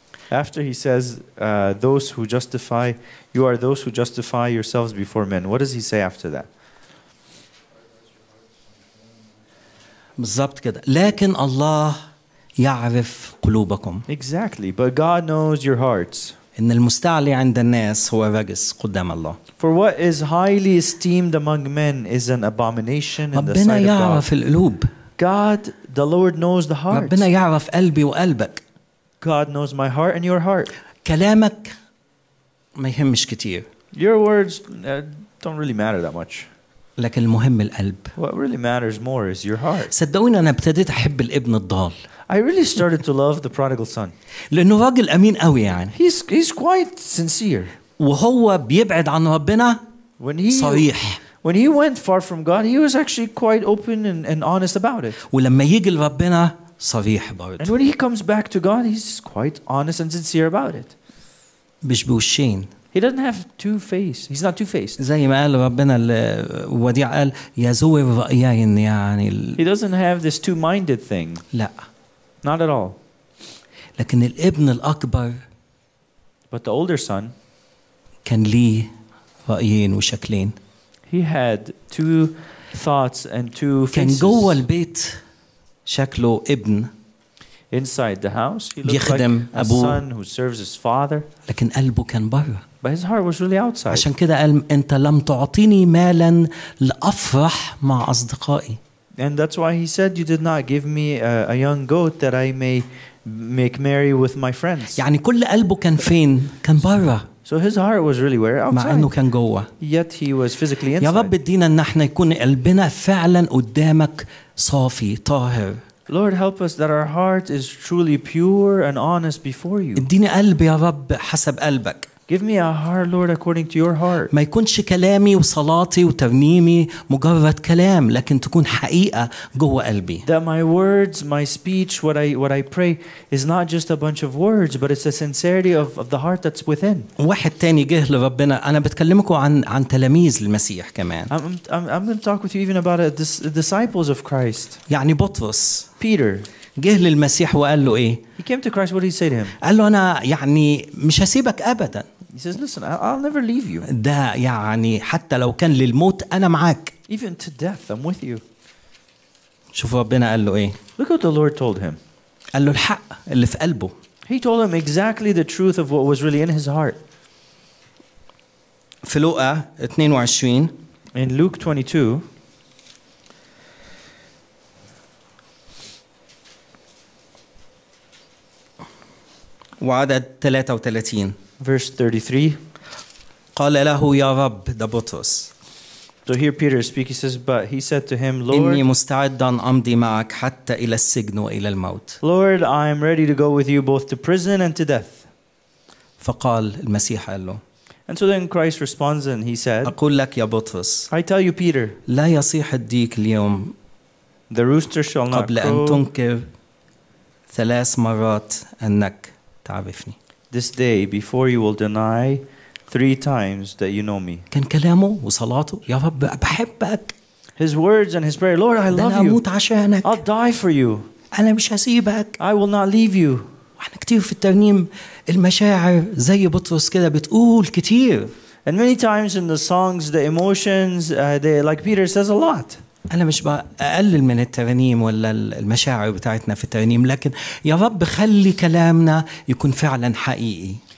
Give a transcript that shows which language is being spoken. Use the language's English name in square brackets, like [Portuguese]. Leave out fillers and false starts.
[English] After he says, "Those who justify, you are those who justify yourselves before men." What does he say after that? [Arabic] بالضبط كده لكن الله يعرف قلوبكم [English] exactly but God knows your hearts [Arabic] ان المستعلي عند الناس هو رجس قدام الله [English] for what is highly esteemed among men is an abomination in the sight of God [Arabic] ربنا يعرف القلوب [English] God the Lord knows the hearts [Arabic] ربنا يعرف قلبي وقلبك [English] God knows my heart and your heart [Arabic] كلامك ما يهمش كتير [English] your words don't really matter that much [Arabic] لكن المهم القلب. [English] What really matters more is your heart. [Arabic] صدقوني أنا ابتديت أحب الابن الضال. [English] I really started to love the prodigal son. [Arabic] لأنه راجل أمين قوي يعني. [English] He's quite sincere. [Arabic] وهو بيبعد عن ربنا. صريح. [English] When he went far from God, he was actually quite open and honest about it. [Arabic] ولما يجي لربنا صريح برضه. [English] And when he comes back to God, he's quite honest and sincere about it. [Arabic] مش بوشين. [English] He doesn't have two faces. He's not two-faced. [Arabic] زي ما قال ربنا الوديع قال يا زوير رأيي يعني. [English] He doesn't have this two-minded thing. [Arabic] لا. [English] Not at all. [Arabic] لكن الابن الأكبر. [English] But the older son. [Arabic] كان ليه رأيين وشكلين. [English] He had two thoughts and two faces. [Arabic] كان جوه البيت شكله ابن. [English] Inside the house, he looked like a son who serves his father. [Arabic] لكن قلبه كان بره. [English] But his heart was really outside. [Arabic] عشان كده قال انت لم تعطيني مالا لافرح مع اصدقائي. [English] And that's why he said you did not give me a young goat that I may make merry with my friends. [Arabic] يعني كل قلبه كان فين؟ كان برا. [English] So his heart was really where? Outside. [Arabic] مع أنه كان جوا. [English] Yet he was physically inside. [Arabic] يا رب ادينا ان احنا يكون قلبنا فعلا قدامك صافي طاهر. [English] Lord, help us that our heart is truly pure and honest before you. [Arabic] اديني قلب يا رب حسب قلبك. [English] Give me a heart, Lord, according to your heart. [Arabic] ما يكونش كلامي وصلاتي وترنيمي مجرد كلام، لكن تكون حقيقة جوه قلبي. [English] That my words, my speech, what I pray is not just a bunch of words, but it's the sincerity of the heart that's within. [Arabic] واحد تاني جه لربنا، أنا بتكلمكوا عن تلاميذ المسيح كمان. [English] I'm going to talk with you even about disciples of Christ. [Arabic] يعني بطرس. [English] Peter. [Arabic] جه للمسيح وقال له إيه؟ [English] He came to Christ. What did he say to him? [Arabic] قال له أنا يعني مش هسيبك أبدا. [English] He says, listen, I'll never leave you. [Arabic] ده يعني حتى لو كان للموت أنا معك. [English] Even to death, I'm with you. [Arabic] شوف ربنا قال له إيه؟ [English] Look what the Lord told him. [Arabic] قال له الحق اللي في قلبه. [English] He told him exactly the truth of what was really in his heart. [Arabic] في لوقا 22. [English] In Luke 22. [Arabic] وعدد 33 [English] verse 33 [Arabic] قال له يا رب ده بطرس. [English] So here Peter speaks, he says, but he said to him, Lord, [Arabic] إني مستعدا أمضي معك حتى إلى السجن وإلى الموت. [English] Lord, I am ready to go with you both to prison and to death. [Arabic] فقال المسيح قال له. [English] And so then Christ responds and he said, [Arabic] أقول لك يا بطرس. [English] I tell you, Peter. [Arabic] لا يصيح الديك اليوم. [English] The rooster shall not crow. [Arabic] قبل أن تنكر ثلاث مرات أنك تعرفني. [English] This day before you will deny three times that you know me. [Arabic] كان كلامه وصلاته يا رب بحبك. [English] His words and his prayer, Lord, I love you. [Arabic] أموت عشانك. [English] I'll die for you. [Arabic] أنا مش هسيبك. [English] I will not leave you. [Arabic] وإحنا كتير في الترنيم المشاعر زي بطرس كده بتقول كتير. [English] And many times in the songs, the emotions, they like Peter says a lot. [Arabic] أنا مش بقلل من الترانيم ولا المشاعر بتاعتنا في الترانيم، لكن يا رب خلي كلامنا يكون فعلا حقيقي.